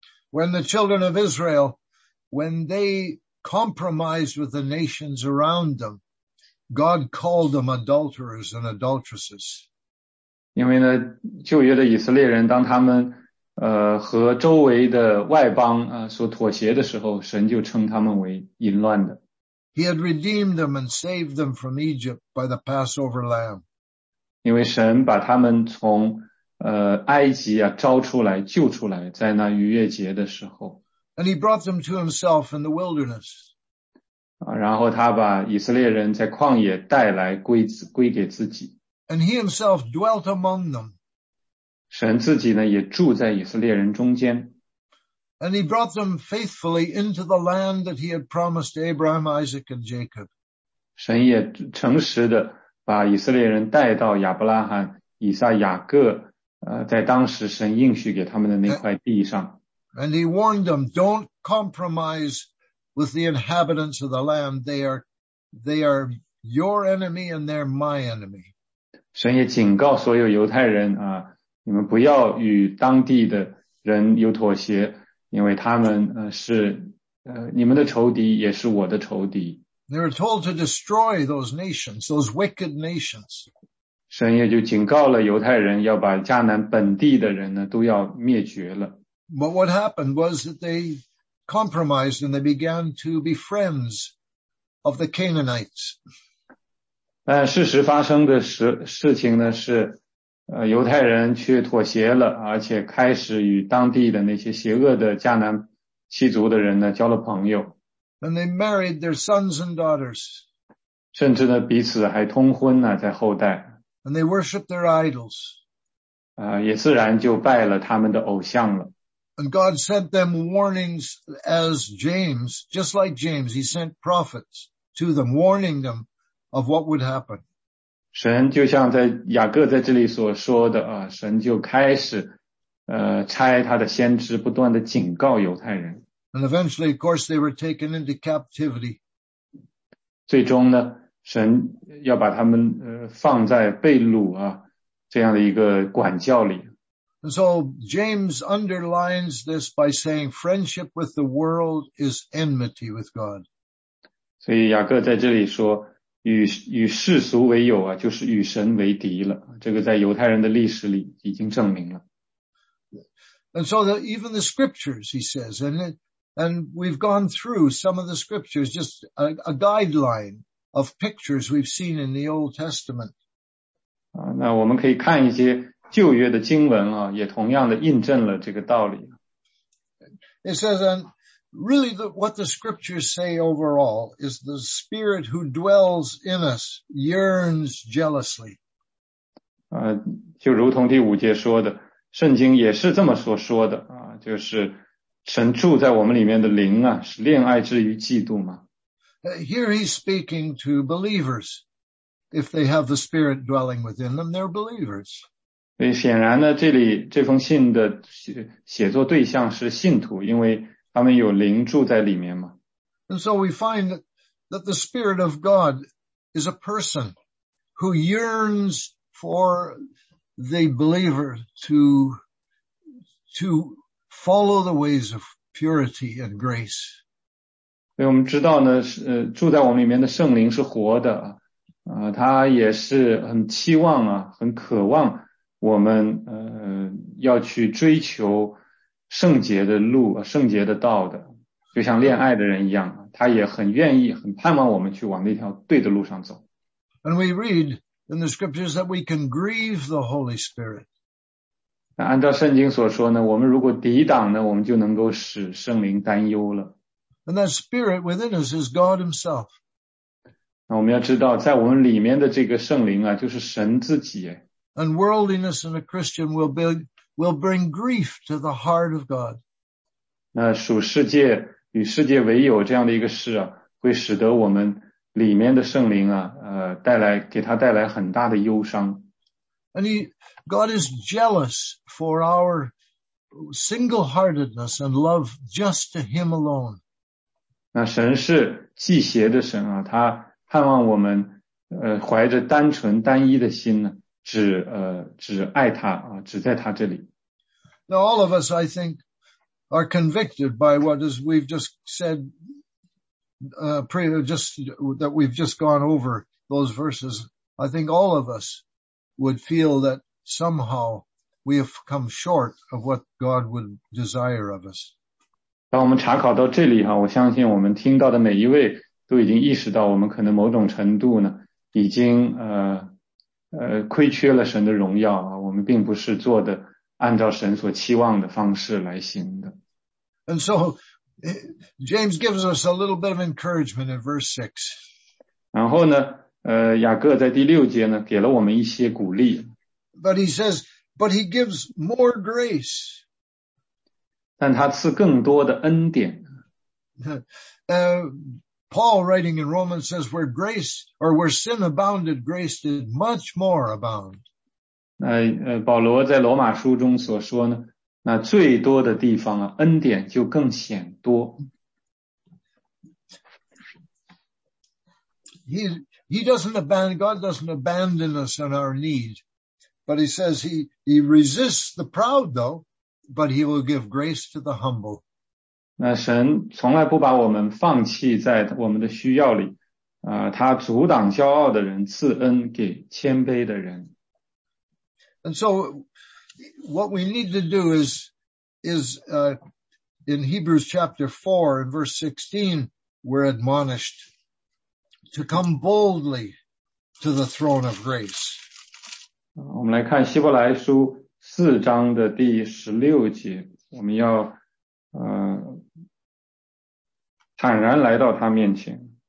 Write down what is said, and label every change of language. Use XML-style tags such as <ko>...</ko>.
<en>When the children of Israel, when they compromised with the nations around them, God called them adulterers and adulteresses.</en> <zh>因为呢，旧约的以色列人，当他们和周围的外邦所妥协的时候，神就称他们为淫乱的。</zh> <en>He had redeemed them and saved them from Egypt by the Passover lamb.</en> <zh>因为神把他们从埃及啊招出来救出来，在那逾越节的时候。</zh> <en>And he brought them to himself in the wilderness.</en> <zh>然后他把以色列人在旷野带来归给自己。</zh> <en>And he himself dwelt among them.</en> <zh>神自己呢也住在以色列人中间。</zh> <en>And he brought them faithfully into the land that he had promised Abraham, Isaac, and Jacob.</en> <zh>神也诚实的把以色列人带到亚伯拉罕、以撒、雅各在当时神应许给他们的那块地上。</zh> <en>And he warned them, don't compromise with the inhabitants of the land. They are your enemy and they're my enemy.</en> <zh>神也警告所有犹太人啊，你们不要与当地的人有妥协，因为他们是你们的仇敌，也是我的仇敌。</zh> <en>They were told to destroy those nations, those wicked nations.</en> <zh>神也就警告了犹太人要把迦南本地的人呢都要灭绝了。</zh> <en>But what happened was that they compromised and they began to be friends of the Canaanites.</en> <zh>事实发生的事情呢是犹太人去妥协了，而且开始与当地的那些邪恶的迦南七族的人呢交了朋友。</zh> <en>And they married their sons and daughters.</en> <zh>甚至呢彼此还通婚呢在后代。</zh> <en>And they worshiped their idols.</en> <zh>也自然就拜了他们的偶像了。</zh> <en>And God sent them warnings as James, just like James, he sent prophets to them, warning them of what would happen.</en> <zh>神就像在雅各在这里所说的啊，神就开始差他的先知不断的警告犹太人。</zh> <en>And eventually, of course, they were taken into captivity.</en> <zh>最终呢，神要把他们放在被掳啊这样的一个管教里。</zh> <en>And so James underlines this by saying friendship with the world is enmity with God.</en> <zh>所以雅各在这里说 与世俗为友啊，就是与神为敌了。这个在犹太人的历史里已经证明了。</zh> <en>And so even the scriptures, he says, and we've gone through some of the scriptures, just a guideline of pictures we've seen in the Old Testament.</en> <zh>那我们可以看一些旧约的经文啊，也同样的印证了这个道理。</zh> <en>It says, and really what the scriptures say overall is the spirit who dwells in us yearns jealously.</en> <zh>就如同第五节说的，圣经也是这么所说的啊，就是神住在我们里面的灵啊，是恋爱之于嫉妒嘛。</zh> <en>Here he's speaking to believers. If they have the spirit dwelling within them, they're believers.</en> <zh>所以显然呢，这里这封信的写作对象是信徒，因为他们有灵住在里面嘛。</zh> <en>And so we find that the Spirit of God is a person who yearns for the believer to follow the ways of purity and grace.</en> <zh>所以我们知道呢，住在我们里面的圣灵是活的，他也是很期望啊，很渴望。我们要去追求圣洁的路、圣洁的道的，就像恋爱的人一样，他也很愿意、很盼望我们去往那条对的路上走。</zh> <en>And we read in the scriptures that we can grieve the Holy Spirit.</en> <zh>按照圣经所说呢，我们如果抵挡呢，我们就能够使圣灵担忧了。</zh> <en>And that Spirit within us is God Himself.</en> <zh>那我们要知道，在我们里面的这个圣灵啊，就是神自己。</zh> <en>And worldliness in a Christian will bring grief to the heart of God.</en> <zh>那属世界与世界为友这样的一个事啊，会使得我们里面的圣灵啊，给他带来很大的忧伤。</zh> <en>And God is jealous for our single-heartedness and love just to Him alone.</en> <zh>那神是忌邪的神啊，他盼望我们怀着单纯单一的心呢、啊。只爱他啊，只在他这里。</zh> <en>Now all of us, I think, are convicted by what is we've just said, just that we've just gone over those verses. I think all of us would feel that somehow we have come short of what God would desire of us.</en> <zh>当我们查考到这里哈，我相信我们听到的每一位都已经意识到，我们可能某种程度呢，已经亏缺了神的荣耀啊！我们并不是做的按照神所期望的方式来行的。</zh> <en>And so James gives us a little bit of encouragement in verse 6.</en> <zh>然后呢，雅各在第六节呢，给了我们一些鼓励。</zh> <en>But he says, but he gives more grace.</en> <zh>但他赐更多的恩典。</zh> <en>Paul writing in Romans says, where sin abounded, grace did much more abound.</en> <zh>保罗在罗马书中所说呢，那最多的地方啊，恩典就更显多。</zh> <en>God doesn't abandon us in our need, but he says he resists the proud though, but he will give grace to the humble.</en> <zh>那神从来不把我们放弃在我们的需要里，他阻挡骄傲的人，赐恩给谦卑的人。</zh> <en>And so, what we need to do in Hebrews chapter 4 and verse 16, we're admonished to come boldly to the throne of grace.</en> <zh>我们来看希伯来书四章的第十六节，我们要坦然来到他面前。</zh>